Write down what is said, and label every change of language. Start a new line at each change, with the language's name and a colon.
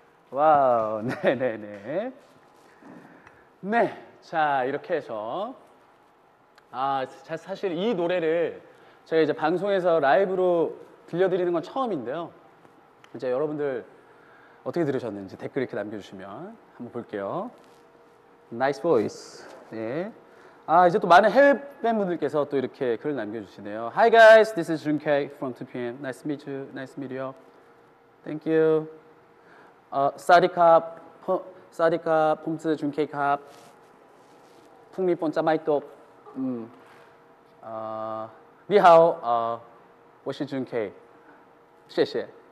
Korean: 와우, 네네네. 네, 자 이렇게 해서 아 사실 이 노래를 제가 이제 방송에서 라이브로 들려드리는 건 처음인데요. 이제 여러분들 어떻게 들으셨는지 댓글 이렇게 남겨주시면 한번 볼게요. Nice voice. 네. 아 이제 또 많은 해외 팬분들께서 또 이렇게 글을 남겨주시네요.
English: Hi guys, this is Junkei from 2PM. Nice to meet you. Nice to meet you. Thank you. 사디캅, 사디캅, 폼스 준케이캅, 풍리폰 짜마이또, 니하오, 워시 준케이, 쉐쉐.